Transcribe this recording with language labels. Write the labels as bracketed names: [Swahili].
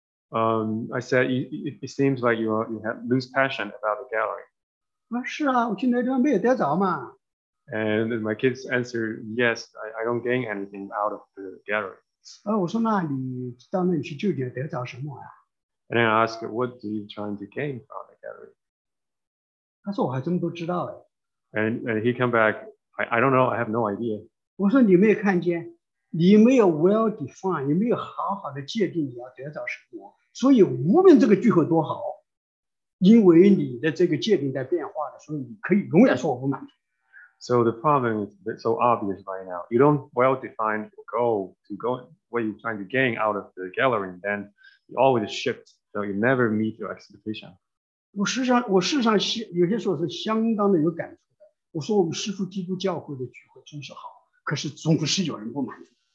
[English] I said, it seems like you have lose passion about the gathering. [Chinese] 啊，是啊，我去那地方没有得着嘛。 [English] And my kids answered, yes, I don't gain anything out of the gathering. [Chinese] 啊，我说那你到那里去究竟得着什么啊？ [English] And I asked, what are you trying to gain from the gathering? [Chinese] 他说我还真不知道哎。 [English] And he came back, I don't know, I have no idea. [Chinese] 我说你没有看见。你没有 [English] well defined， [Chinese] 你没有好好的界定你要得到什么，所以无论这个聚会多好，因为你的这个界定在变化的，所以你可以永远说我不满足。 [English] So the problem is so obvious right now. You don't well define your goal to go what you're trying to gain out of the gathering, then you always shift, so you never meet your expectation. [Chinese] 我事实上有些时候是相当的有感触的。我说我们师父基督教会的聚会真是好，可是总是有人不满足。